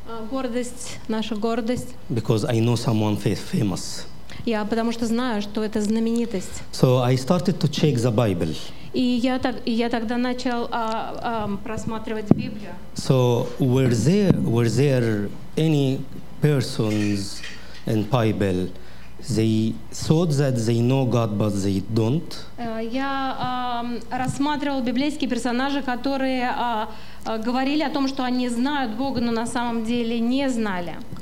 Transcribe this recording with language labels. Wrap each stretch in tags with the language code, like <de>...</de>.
<ru>Гордость, наша гордость.</ru> <en>Because I know someone famous.</en> <ru>Я потому что знаю, что это знаменитость.</ru> <en>So I started to check the Bible.</en> <ru>И я тогда начал просматривать Библию.</ru> <en>So were there any persons in Bible? They thought that they know God, but they don't.</en> <ru>Я рассматривал библейские персонажи, которые говорили о том, что они знают Бога, но на самом деле не знали.</ru>